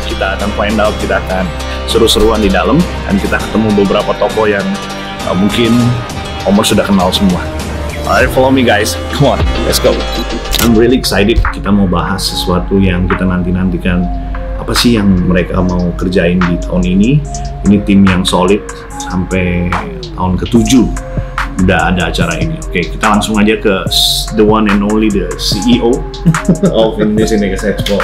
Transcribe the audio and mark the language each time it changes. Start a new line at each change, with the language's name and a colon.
Indonesian: Kita akan
English: find out,
Indonesian: kita akan seru-seruan di dalam, dan kita ketemu beberapa toko yang mungkin Omar sudah kenal semua.
English: Alright, follow me guys, come on, let's go. I'm really excited.
Indonesian: Kita mau bahas sesuatu yang kita nantikan. Apa sih yang mereka mau kerjain di tahun ini? Ini tim yang solid sampai tahun ke-7 udah ada acara ini. Oke, kita langsung aja ke
English: the one and only, the CEO of Indonesian Negas Expo.